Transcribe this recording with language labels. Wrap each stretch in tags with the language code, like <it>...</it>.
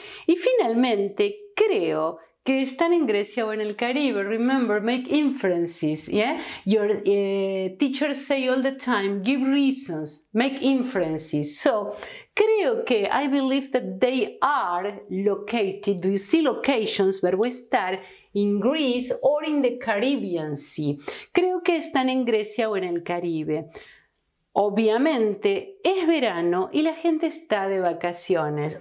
<es>Y finalmente, creo que están en Grecia o en el Caribe.</es> <en>Remember, make inferences, yeah? Your teachers say all the time, give reasons, make inferences. So,</en> <es>creo que,</es> <en>I believe that they are located, do you see locations,</en> <es>verbo estar,</es> <en>in Greece or in the Caribbean Sea.</en> <es>Creo que están en Grecia o en el Caribe. Obviamente, es verano y la gente está de vacaciones.</es>